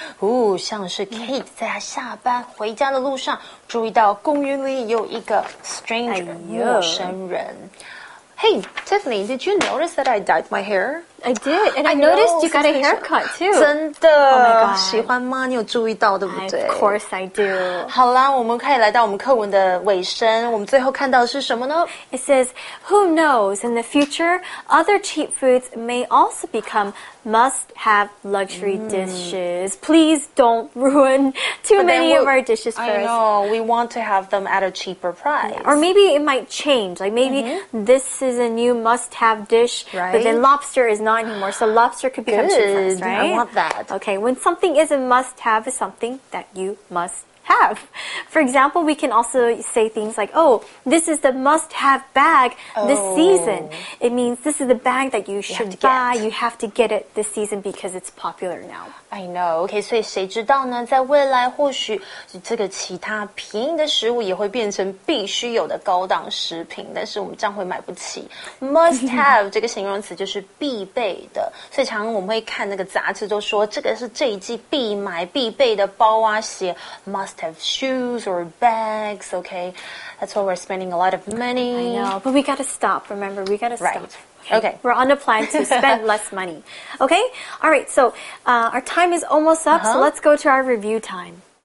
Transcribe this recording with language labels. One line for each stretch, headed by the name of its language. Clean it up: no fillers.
Chinese: 哦，像是 Kate 在她下班回家的路上注意到公园里有一个 stranger,、哎、陌生人。
English: Hey, Tiffany, did you notice that I dyed my hair? I did, and I noticed you got a haircut, too.
Chinese: 真的。
English: Oh my god.
Chinese: 喜欢吗？你有注意到，对不对？
English: Of course I do.
Chinese: 好啦，我们可以来到我们课文的尾声。我们最后看到的是什么呢？
English: It says, who knows, in the future, other cheap foods may also become must-have luxury dishes. Please don't ruin too many of our dishes first. I know, we want to have them at a cheaper price. Yeah. Or maybe it might change. Like maybe this is a new must-have dish, right? But then lobster is not anymore, so lobster could become cheaper, right? I want that. Okay, when something is a must-have, it's something that you must have. For example, we can also say things like, oh, this is the must-have bag this season. It means this is the bag that you should buy. You have to get it this season because it's popular now.
Chinese: I know. Okay, 所以谁知道呢？在未来或许这个其他便宜的食物也会变成必须有的高档食品，但是我们这样会买不起。 Must-have 这个形容词就是必备的，所以常常我们会看那个杂志都说这个是这一季必买必备的包啊鞋。
English: Must have shoes or bags, okay? That's why we're spending a lot of money. I know, but we gotta stop. Remember, we gotta right. stop. Okay. We're on a plan to spend less money. Okay? All right, so our time is almost up, so let's go to our review time.